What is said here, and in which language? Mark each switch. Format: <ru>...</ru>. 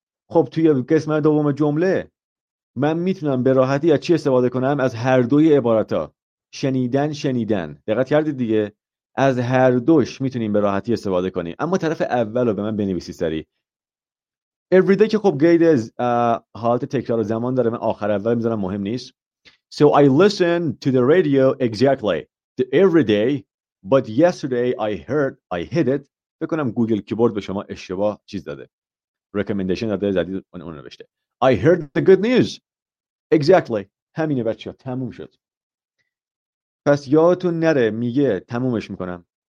<fa>خب توی قسمت دوم جمله من میتونم به راحتی از چی استفاده کنم؟ از هر دوی عبارتا شنیدن شنیدن، دقت کردید دیگه، از هر دوش میتونیم به راحتی استفاده کنیم. اما طرف اول رو به من بنویسید سری. Everyday که خب گید از حالت تکرار زمان داره، من آخر اول میذارم، مهم نیست.</fa> <en>So I listen to the radio exactly the every day, but yesterday I hit it.</en> <fa>بکنم گوگل کیبورد به شما اشتباه چیز داده. Recommendation داده زدید اون رو نوشته.</fa> <en>I heard the good news. Exactly.</en> <fa>همینه بچه ها. تموم شد. پس یادتون نره میگه تمومش میکنم.</fa>